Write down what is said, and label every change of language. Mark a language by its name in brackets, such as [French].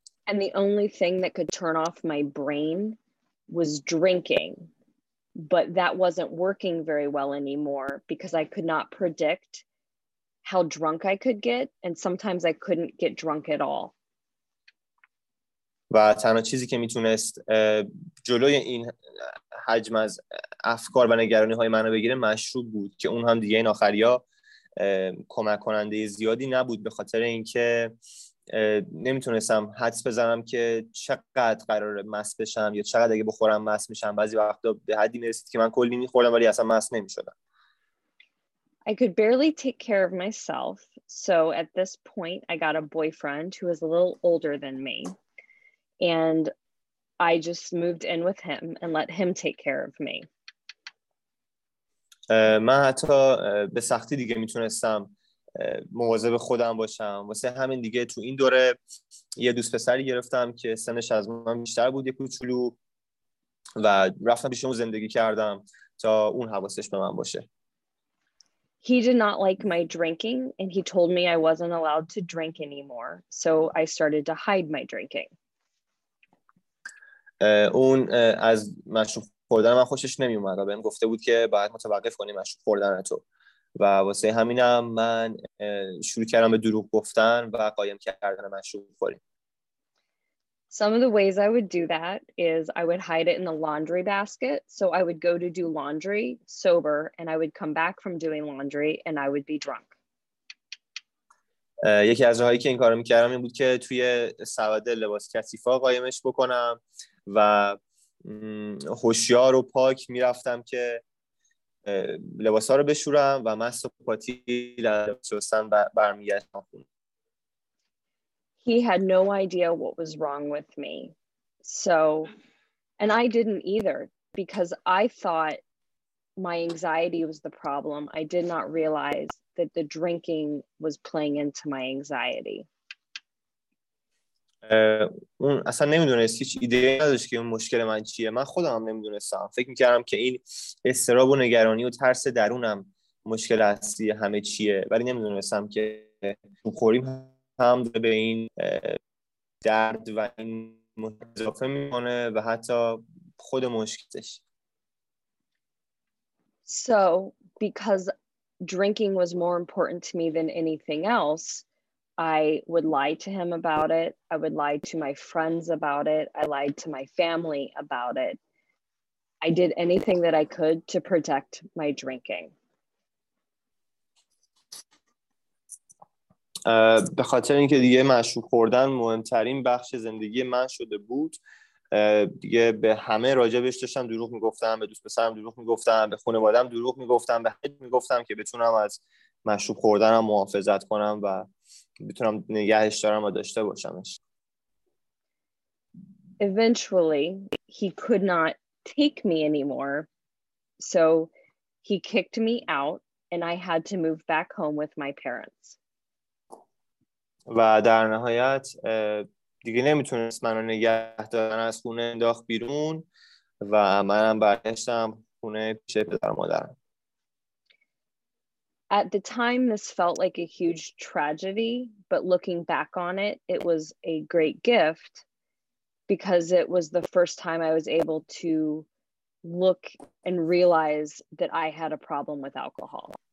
[English] And the only thing that could turn off my brain was drinking, but that wasn't working very well anymore because I could not predict how drunk I could get, and sometimes I couldn't get drunk at all. [Persian] و تنها چیزی که میتونست جلوی این حجم از افکار و نگرانی های منو بگیره مشروب بود، که اون هم دیگه این آخریا کمک کننده زیادی نبود، به خاطر اینکه نمیتونستم حدس بزنم که چقدر قرار مست بشم یا چقدر اگه بخورم مست میشم. بعضی وقتا به حدی میرسید که من کلی میخوردم ولی اصلا مست نمیشدم. [English] I could barely take care of myself, so at this point I got a boyfriend who was a little older than me, and I just moved in with him and let him take care of me. [Persian] من حتی به سختی دیگه میتونستم مواظب خودم باشم، واسه همین دیگه تو این دوره یه دوست پسری گرفتم که سنش از من بیشتر بود یه کوچولو، و رفتم پیش اون زندگی کردم تا اون حواسش به من باشه. [English] He did not like my drinking, and he told me I wasn't allowed to drink anymore, so I started to hide my drinking. [Persian] اون از مشروب خوردن من خوشش نمی اومد و بهم گفته بود که باید متوقف کنی مشروب خوردن تو، و واسه همینم من شروع کردم به دروغ گفتن و قایم کردن مشروب خوری. [English] Some of the ways I would do that is I would hide it in the laundry basket. So I would go to do laundry sober, and I would come back from doing laundry and I would be drunk. [Persian] یکی از راهایی که این کارو می‌کردم این بود که توی سبد لباس کثیفا قایمش بکنم و هوشیار و پاک می‌رفتم که لباس‌ها رو بشورم و مست و پاتیل لباس‌هاستم برمی‌گردم خونه. [English] He had no idea what was wrong with me. So, and I didn't either, because I thought my anxiety was the problem. I did not realize that the drinking was playing into my anxiety. [Persian] اون اصلا نمیدونست، هیچ ایده‌ای نداشت که اون مشکل من چیه. من خودم هم نمیدونستم. فکر میکردم که این استراب و نگرانی و ترس درونم مشکل اصلی همه چیه، ولی نمیدونستم که بخوریم هم به این درد و این اضافه میکنه و حتی خود مشکلش. [English] So because drinking was more important to me than anything else, I would lie to him about it. I would lie to my friends about it. I lied to my family about it. I did anything that I could to protect my drinking. [Persian] به خاطر اینکه دیگه مشروب خوردن مهمترین بخش زندگی من شده بود، دیگه به همه راجبش داشتم دروغ میگفتم، به دوست پسرم دروغ میگفتم، به خانوادم دروغ میگفتم، به همه میگفتم که بتونم از مشروب خوردنم محافظت کنم و بتونم نگهش دارم و داشته باشمش. [English] Eventually he could not take me anymore, so he kicked me out and I had to move back home with my parents. [Persian] و در نهایت دیگه نمیتونست منو نگه دارن، از خونه انداخت بیرون و منم برگشتم خونه پیش پدر مادرم. [English] At the time this felt like a huge tragedy, but looking back on it, it was a great gift because it was the first time I was able to look and realize that I had a problem with alcohol.